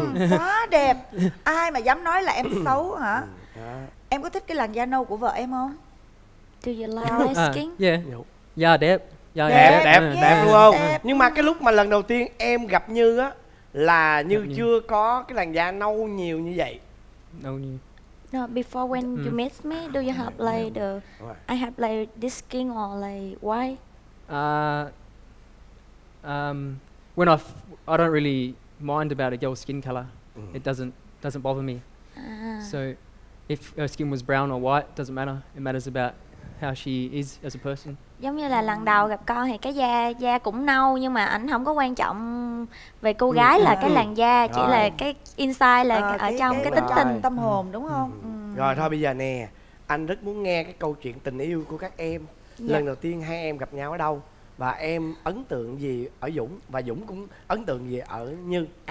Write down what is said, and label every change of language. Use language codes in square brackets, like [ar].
[vi] Quá đẹp. Ai mà dám nói là em xấu hả? Em có thích cái làn da nâu của vợ em không? [en] Do you like my skin? Yeah. Yeah, [vi] đẹp. [en] Yeah, [vi] đẹp, đẹp, đẹp, yeah, đẹp đúng không? Đẹp. Nhưng mà cái lúc mà lần đầu tiên em gặp Như á, là Như chưa có cái làn da nâu nhiều như vậy. Nâu nhiều. [en] No, before when you met me, do you have like the... I have like this skin or like why? I don't really mind about a girl's skin color. It doesn't bother me. So if her skin was brown or white, doesn't matter. It matters about how she is as a person. [vi] Giống như là lần đầu gặp con thì cái da cũng nâu nhưng mà ảnh không có quan trọng về cô gái là cái làn da, chỉ là cái inside là ở trong cái tính tình tâm hồn đúng không? Rồi thôi bây giờ nè, anh rất muốn nghe cái câu chuyện tình yêu của các em. Lần đầu tiên hai em gặp nhau ở đâu? Và em ấn tượng gì ở Dũng và Dũng cũng ấn tượng gì ở Như?